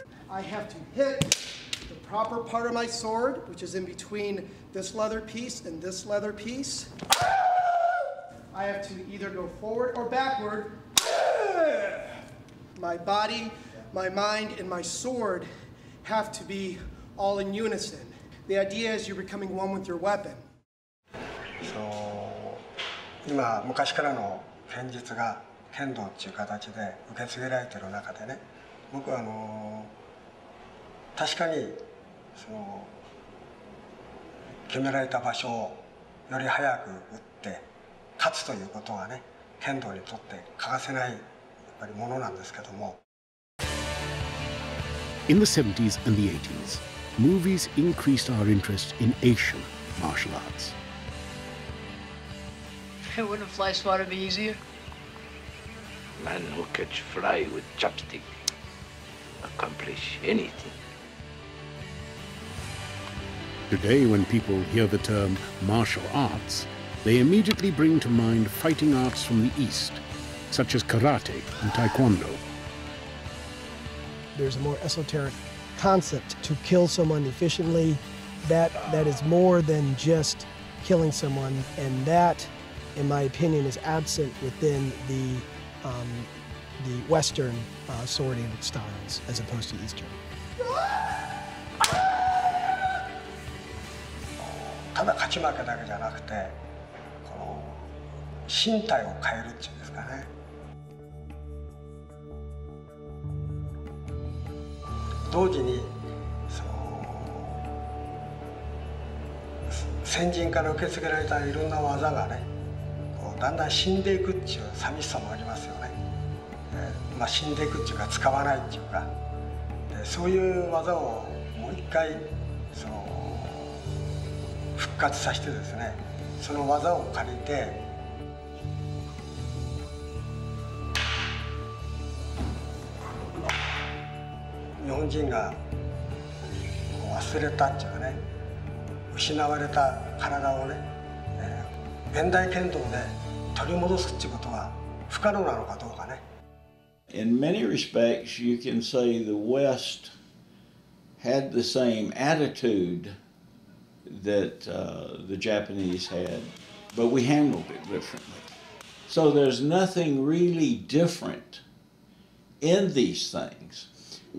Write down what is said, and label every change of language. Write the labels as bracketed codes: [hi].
[en] I have to hit proper part of my sword, which is in between this leather piece and this leather piece. I have to either go forward or backward. My body, my mind, and my sword have to be all in unison. The idea is you're becoming one with your weapon. [ja] So, 今昔からの剣術が剣道っていう形で受け継げられてる中でね、僕は確かにその決められた場所をより早く打って勝つということはね、剣道にとって欠かせないやっぱりものなんですけども。 [en] In the 70s and the 80s, movies increased our interest in Asian martial arts. Wouldn't fly swatter be easier? Man who catch fly with chopstick accomplish anything. Today, when people hear the term martial arts, they immediately bring to mind fighting arts from the East, such as karate and taekwondo. There's a more esoteric concept to kill someone efficiently. That is more than just killing someone, and that, in my opinion, is absent within the Western swording styles as opposed to Eastern. [ja] ただ勝ち負けだけじゃなくて、この身体を変えるっていうんですかね。同時にその先人から受け継げられたいろんな技がね、こうだんだん死んでいくっていう寂しさもありますよね。死んでいくっていうか使わないっていうか、でそういう技をもう一回その復活させてですね、その技を借りて日本人が忘れたっていうかね、失われた体をね、現代剣道で取り戻すっていうことは不可能なのかどうかね。 [en] In many respects, you can say the West had the same attitude that the Japanese had, but we handled it differently. So there's nothing really different in these things.